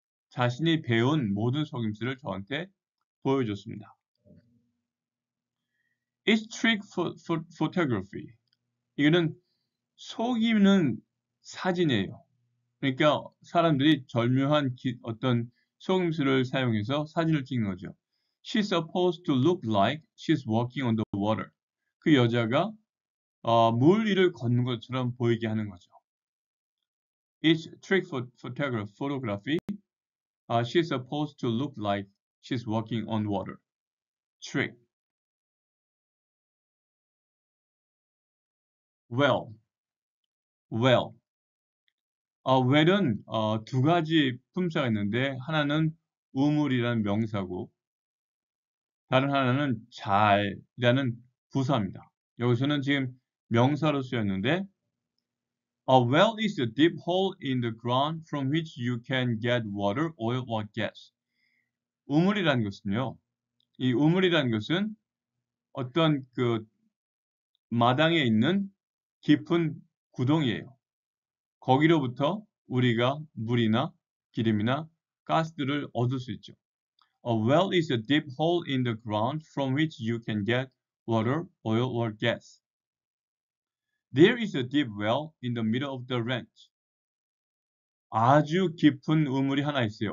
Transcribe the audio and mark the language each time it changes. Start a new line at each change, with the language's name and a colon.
Korean: 자신이 배운 모든 속임수를 저한테 보여줬습니다.
English: It's trick photography.
Korean: 이거는 속이는 사진이에요. 그러니까 사람들이 절묘한 어떤 속임수를 사용해서 사진을 찍는 거죠.
English: She's supposed to look like she's walking on the water.
Korean: 그 여자가 물 위를 걷는 것처럼 보이게 하는 거죠.
English: It's trick photography. She's supposed to look like she's walking on water. Trick. Well.
Korean: Well은 두 가지 품사가 있는데 하나는 우물이라는 명사고 다른 하나는 잘이라는 부사입니다. 여기서는 지금 명사로 쓰였는데
English: A well is a deep hole in the ground from which you can get water, oil, or gas.
Korean: 우물이라는 것은요. 이 우물이라는 것은 어떤 그 마당에 있는 깊은 구덩이에요. 거기로부터 우리가 물이나 기름이나 가스들을 얻을 수 있죠.
English: A well is a deep hole in the ground from which you can get water, oil, or gas. There is a deep well in the middle of the ranch.
Korean: 아주 깊은 우물이 하나 있어요.